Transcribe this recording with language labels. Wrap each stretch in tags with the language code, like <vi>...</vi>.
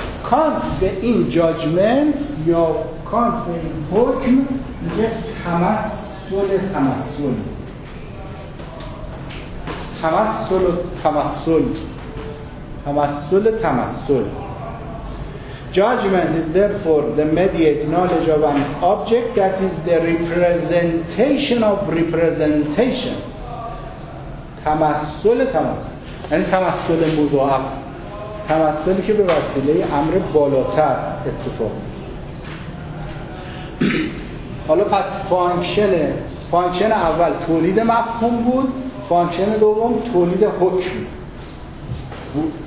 <fa>کانت به این جاجمنت یا کانت به این حکم میگه تمثل تمثل، تمثل تمثل، تمثل تمثل.</fa> <en>Judgment is therefore the mediate knowledge of an object that is the representation of representation.</en> <fa>تمثل تمثل، یعنی تمثل مضاعف، تمثلی که به وسیله امر بالاتر اتفاق میفته. حالا پس فانکشن اول تولید مفهوم بود، فانکشن دوم تولید حکم بود.</fa>